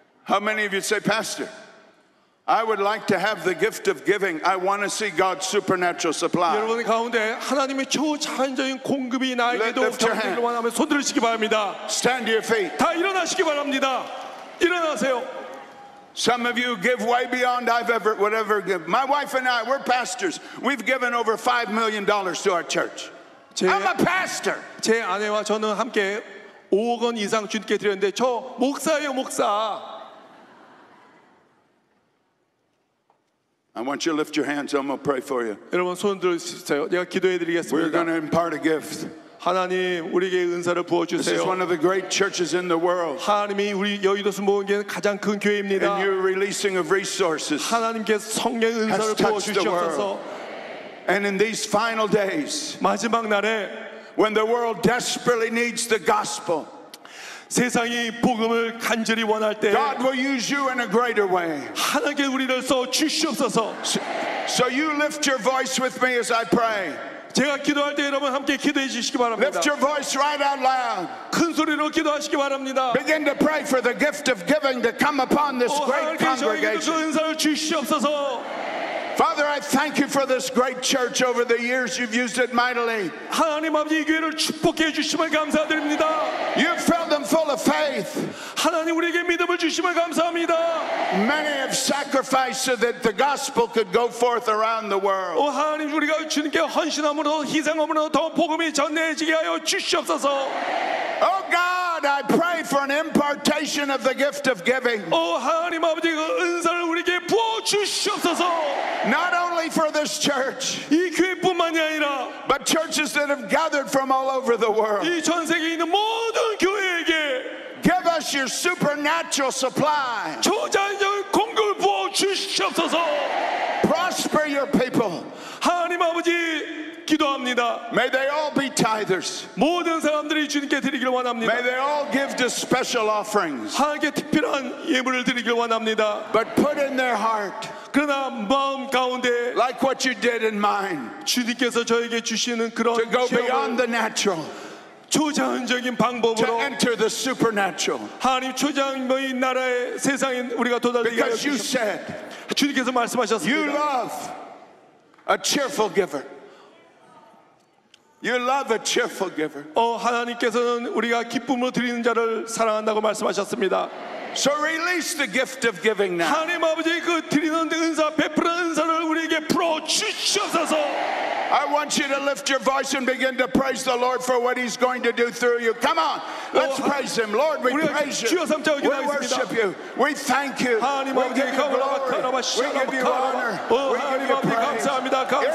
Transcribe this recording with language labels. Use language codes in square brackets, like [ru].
[en] How many of you say, "Pastor, I would like to have the gift of giving. I want to see God's supernatural supply. [ko] 여러분 가운데 하나님의 초자연적인 공급이 나에게도 경험되기를 원하며 손 들으시기 바랍니다. [en] Stand to your feet. [ko] 다 일어나시기 바랍니다. 일어나세요. [en] Some of you give way beyond I've ever would ever give. My wife and I, we're pastors. We've given over $5 million to our church. I'm a pastor. [ko] 제 아내와 저는 함께 5억 원 이상 주님께 드렸는데 저 목사예요, 목사. [en] I want you to lift your hands. I'm going to pray for you. [ko] 여러분 손 들어주세요. 제가 기도해 드리겠습니다. [en] We're going to impart a gift. [ko] 하나님 우리에게 은사를 부어 주세요. [en] This is one of the great churches in the world. [ko] 하나님이 우리 여의도 순복음교회 가장 큰 교회입니다. [en] And you're releasing of resources. [ko] 하나님께서 성령 은사를 부어 주셔서. [en] And in these final days, [ko] 마지막 날에, [en] when the world desperately needs the gospel, [ko] 세상이 복음을 간절히 원할 때, [en] God will use you in a greater way. [ko] 하나님께 우리를 써 주시옵소서. [en] So you lift your voice with me as I pray. [ko] 제가 기도할 때 여러분 함께 기도해 주시기 바랍니다. [en] Lift your voice right out loud. [ko] 큰 소리로 기도하시기 바랍니다. [en] Begin to pray for the gift of giving to come upon this great congregation. [ko] 하나님 저에게도 그 은사를 주시옵소서. [en] Father, I thank you for this great church over the years. You've used it mightily. [ko] 하나님 아버지 이 교회를 축복해 주심을 감사드립니다. [en] You've filled them full of faith. [ko] 하나님 우리에게 믿음을 주심을 감사합니다. [en] Many have sacrificed so that the gospel could go forth around the world. [ko] 오 하나님 우리가 주님께 헌신함으로 희생함으로 더 복음이 전해지게 하여 주시옵소서. [en] Oh God, I pray for an impartation of the gift of giving. [ko] 오 하나님 아버지 그 은사를 우리에게 부어 주시옵소서. [en] Not only for this church, [ko] 이 교회뿐만이 아니라, [en] but churches that have gathered from all over the world. [ko] 이 전 세계에 있는 모든 교회에게, [en] give us your supernatural supply. [ko] 초자연적 공급을 부어 주시옵소서. [en] Prosper your people. [ko] 하나님 아버지 기도합니다. [en] May they all be tithers. [ko] 모든 사람들이 주님께 드리기를 원합니다. [en] May they all give to special offerings. [ko] 하나님께 특별한 예물을 드리기를 원합니다. [en] But put in their heart. [ko] 그러나 마음 가운데 [en] like what you did in mine, [ko] 주님께서 저에게 주시는 그런 [en] to go beyond the natural, [ko] 초자연적인 방법으로 [en] to enter the supernatural. [ko] 하나님 초자연적인 나라의 세상에 우리가 도달되게 하셨습니다. 주님께서 말씀하셨습니다. [en] You love a cheerful giver. You love a cheerful giver. [ko] 하나님께서는 우리가 기쁨으로 드리는 자를 사랑한다고 말씀하셨습니다. [en] So release the gift of giving now. [ko] 하나님 아버지 그 드리는 은사 베푸는 은사를 우리에게 풀어 주시옵소서. [en] I want you to lift your voice and begin to praise the Lord for what He's going to do through you. Come on, let's praise Him, Lord. We praise you. We worship you. We thank you. [ko] 하나님 아버지 감사합니다.